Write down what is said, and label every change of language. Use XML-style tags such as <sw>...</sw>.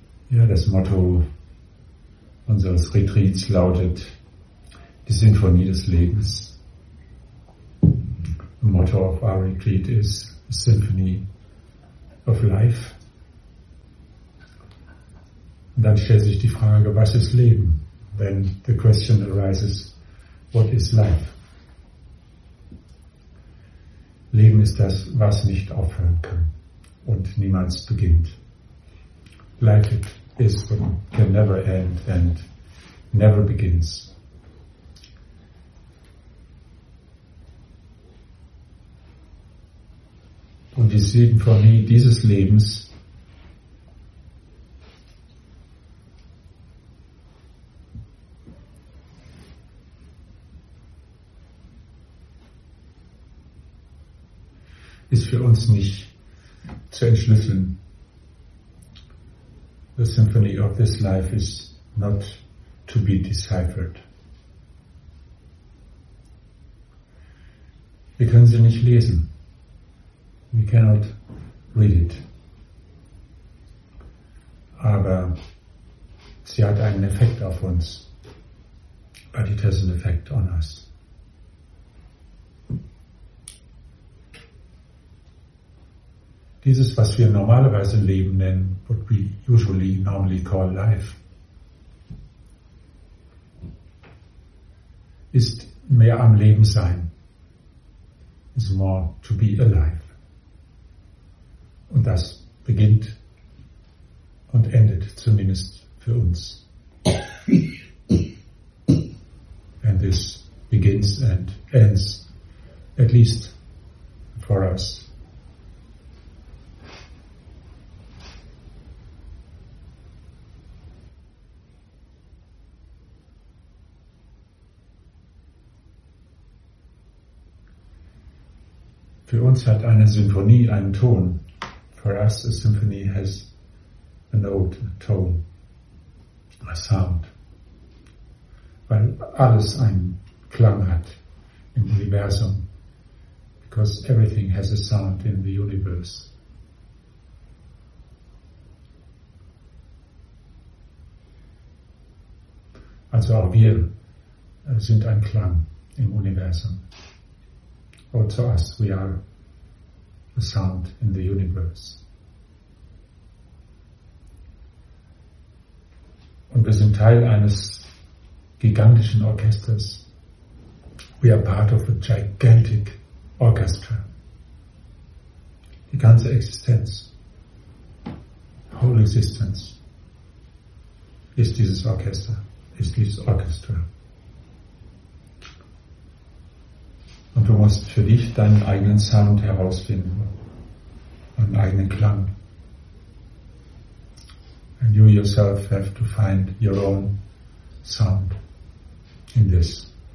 <de>Ja, das Motto unseres Retreats lautet die Sinfonie des Lebens.</de> <en>The motto of our retreat is the Symphony of Life.</en> <de>Und dann stellt sich die Frage, was ist Leben?</de> <en>Then the question arises, what is life?</en> <de>Leben ist das, was nicht aufhören kann und niemals beginnt.</de> <en>Life is what can never end and never begins.</en> <de>Und die Sinfonie dieses Lebens ist für uns nicht zu entschlüsseln.</de> <en>The symphony of this life is not to be deciphered.</en> <de>Wir können sie nicht lesen.</de> <en>We cannot read it.</en> <de>Aber sie hat einen Effekt auf uns.</de> <en>But it has an effect on us.</en> <de>Dieses, was wir normalerweise Leben nennen,</de> <en>what we usually normally call life,</en> <de>ist mehr am Leben sein.</de> <en>Is more to be alive.</en> <de>Und das beginnt und endet zumindest für uns.</de> <en>And this begins and ends, at least for us.</en> <de>Für uns hat eine Sinfonie einen Ton.</de> <en>For us, a symphony has a note, a tone, a sound.</en> <de>Weil alles einen Klang hat im Universum.</de> <en>Because everything has a sound in the universe.</en> <de>Also auch wir sind ein Klang im Universum.</de> <en>Also us, we are a sound in the universe.</en> <de>Und wir sind Teil eines gigantischen Orchesters.</de> <en>We are part of a gigantic orchestra.</en> <de>Die ganze Existenz,</de> <en>whole existence,</en> <de>ist dieses Orchester, ist dieses Orchester. Und du musst für dich deinen eigenen Sound herausfinden, einen eigenen Klang.</de> <en>And you yourself have to find your own sound in this.</en>